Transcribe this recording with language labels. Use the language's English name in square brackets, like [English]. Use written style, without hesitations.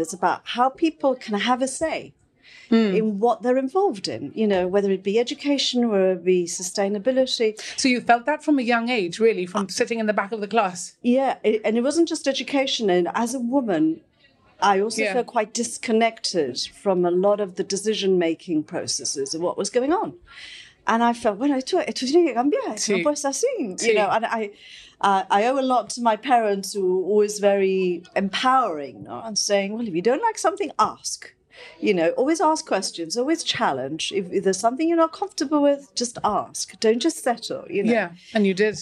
[English] It's about how people can have a say in what they're involved in, you know, whether it be education, whether it be sustainability. So you felt that from a young age, really, from sitting in the back of the class? Yeah, and it wasn't just education. And as a woman, I also felt quite disconnected from a lot of the decision-making processes of what was going on. And I felt, [Spanish] bueno, esto tiene que cambiar, no puede ser así. [English] You know, and I owe a lot to my parents, who were always very empowering, you know, and saying, well, if you don't like something, ask. You know, always ask questions, always challenge. If there's something you're not comfortable with, just ask. Don't just settle, you know. Yeah, and you did.